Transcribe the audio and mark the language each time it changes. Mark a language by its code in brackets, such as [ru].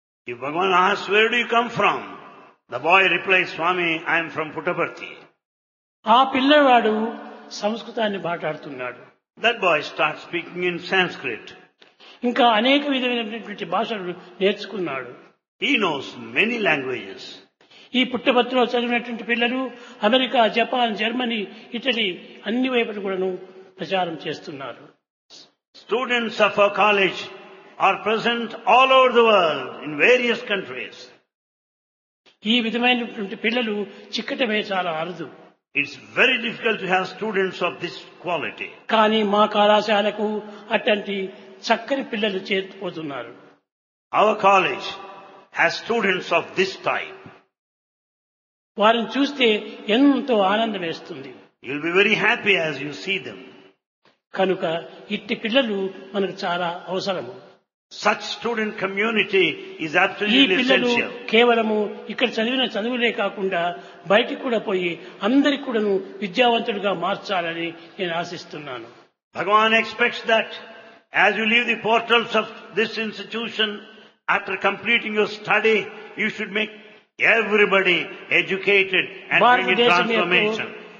[en] If Bhagavan asks where do you come from The boy replies, Swami, I am from Puttaparthi. [te] ఆ పిల్లవాడు సంస్కృతాన్ని మాట్లాడుతున్నాడు. [en] That boy starts speaking in Sanskrit. [te] ఇంకా అనేక విధమైనటువంటి భాషలు నేర్చుకున్నాడు. [en] He knows many languages. [te] ఈ పుట్టపర్తిలో చదివినటువంటి పిల్లలు అమెరికా, జపాన్, జర్మనీ, ఇటలీ అన్ని వైపులు కూడా ప్రచారం చేస్తున్నారు. [en] Students of our college are present all over the world in various countries. [te] ఈ విధమైనటువంటి పిల్లలు చిక్కటమే చాలా అరుదు. [en] It's very difficult to have students of this quality. [te] కానీ మా కళాశాలకు అటువంటి చక్కని పిల్లలు చేరుకుపోతున్నారు. [en] Our college has students of this type. [te] వారిని చూస్తే ఎంతో ఆనందం వేస్తుంది. [en] You'll be very happy as you see them. [te] కనుక ఇట్టి పిల్లలు మనకు చాలా అవసరము. [en] Such student community is absolutely [te] కేవలము ఇక్కడ చదివిన చదువులే కాకుండా బయటికి కూడా పోయి అందరికి కూడా విద్యావంతుడిగా మార్చాలని నేను ఆశిస్తున్నాను. [en] Bhagwan expects that as you leave the portals of this institution after completing your study you should make everybody educated and bring transformation.